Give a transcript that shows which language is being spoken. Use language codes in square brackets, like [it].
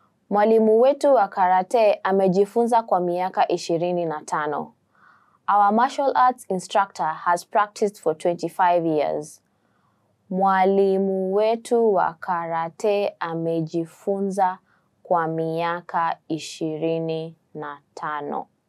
[sw] Mwalimu wetu wa karate amejifunza kwa miaka 25. [en] Our martial arts instructor has practiced for 25 years. [sw] Mwalimu wetu wa karate amejifunza kwa miaka 25.